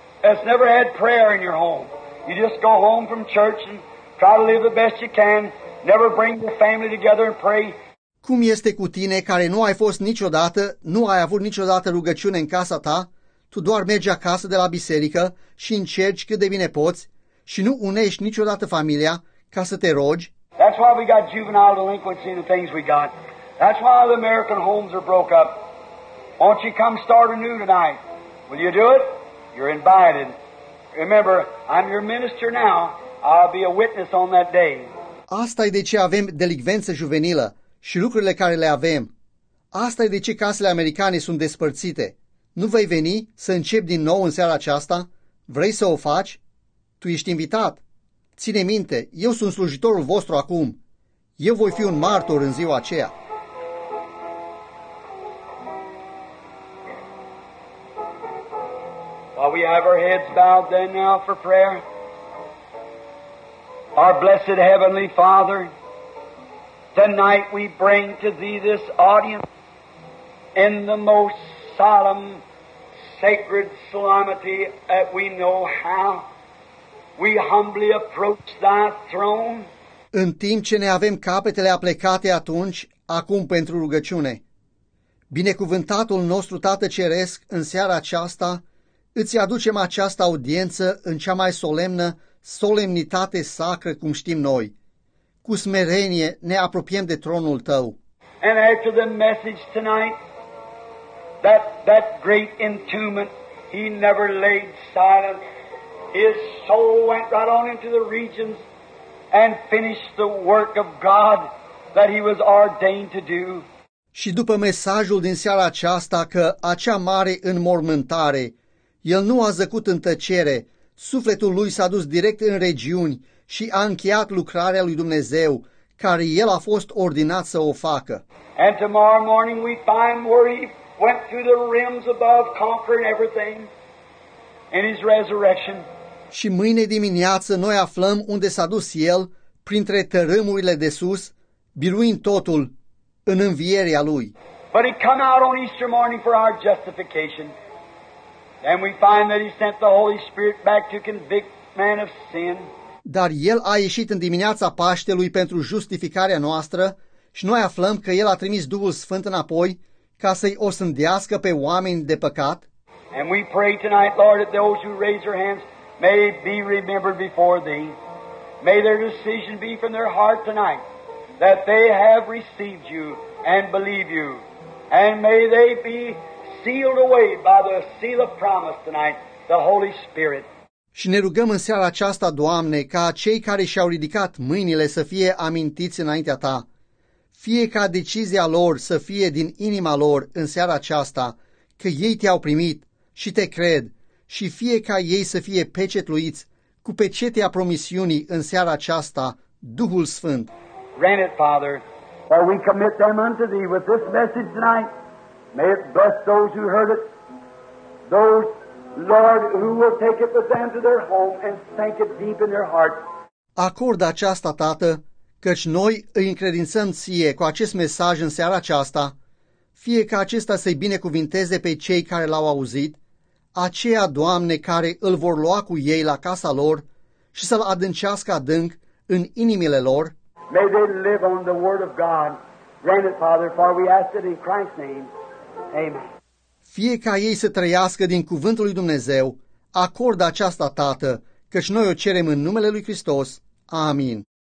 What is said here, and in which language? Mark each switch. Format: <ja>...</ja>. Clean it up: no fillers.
<en>It's never had prayer in your home. You just go home from church and try to live the best you can, never bring your family together and pray.</en> <ro>Cum este cu tine care nu ai fost niciodată, nu ai avut niciodată rugăciune în casa ta? tu doar mergi acasă de la biserică și încerci cât de bine poți și nu unești niciodată familia ca să te rogi.</ro> <en>That's why we got juvenile delinquency and the things we got. That's why the American homes are broke up. Won't you come start anew tonight? Will you do it? You're invited. Remember, I'm your minister now. I'll be a witness on that day.</en> <ro>Asta e de ce avem delicvență juvenilă și lucrurile care le avem. Asta e de ce casele americane sunt despărțite. Nu vei veni să începi din nou în seara aceasta? Vrei să o faci? Tu ești invitat. Ține minte, eu sunt slujitorul vostru acum. Eu voi fi un martor în ziua aceea.</ro> <en>While we have our heads bowed then now for prayer. Our blessed heavenly Father, tonight we bring to thee this audience in the most solemn, sacred solemnity that we know how. We humbly approach thy throne.</en> <ro>În timp ce ne avem capetele aplecate atunci, acum pentru rugăciune, binecuvântatul nostru Tată Ceresc, în seara aceasta, îți aducem această audiență în cea mai solemnă solemnitate sacră, cum știm noi. Cu smerenie ne apropiem de tronul Tău.</ro> <en>And after the message tonight, that great entombment, he never laid silent. His soul went right on into the regions and finished the work of God that he was ordained to do.</en> <ro>Și după mesajul din seara aceasta că acea mare înmormântare, el nu a zăcut în tăcere, sufletul lui s-a dus direct în regiuni și a încheiat lucrarea lui Dumnezeu, care el a fost ordinat să o facă.</ro> <en>And tomorrow morning we find where he went through the rims above, conquering everything in his resurrection.</en> <ro>Și mâine dimineață noi aflăm unde s-a dus el, printre tărâmurile de sus, biruind totul în învierea lui.</ro> <en>But he came out on Easter morning for our justification. And we find that he sent the Holy Spirit back to convict man of sin.</en> <ro>Dar el a ieșit în dimineața Paștelui pentru justificarea noastră și noi aflăm că el a trimis Duhul Sfânt înapoi ca să-i osândească pe oameni de păcat.</ro> <en>And we pray tonight, Lord, that those who raise their hands may be remembered before thee. May their decision be from their heart tonight that they have received you and believe you. And may they be sealed away by the seal of promise tonight, the Holy Spirit.</en> <ro>Și ne rugăm în seara aceasta, Doamne, ca cei care și-au ridicat mâinile să fie amintiți înaintea Ta, fie ca decizia lor să fie din inima lor în seara aceasta, că ei Te-au primit și Te cred, și fie ca ei să fie pecetluiți cu pecetea promisiunii în seara aceasta, Duhul Sfânt.</ro> <en>Grant it, Father, that we commit them unto Thee with this message tonight. May it bless those who heard it, those, Lord, who will take it with them to their home and sink it deep in their heart.</en> <ro>Acord aceasta, Tată, căci noi îi încredințăm Ție cu acest mesaj în seara aceasta, fie ca acesta să-i binecuvinteze pe cei care l-au auzit, aceia, Doamne, care îl vor lua cu ei la casa lor și să-l adâncească adânc în inimile lor.</ro> <en>May they live on the word of God. Grant it, Father, for we ask it in Christ's name. Amen.</en> <ro>Fie ca ei să trăiască din cuvântul lui Dumnezeu, acordă aceasta, Tată, căci noi o cerem în numele lui Hristos. Amin.</ro>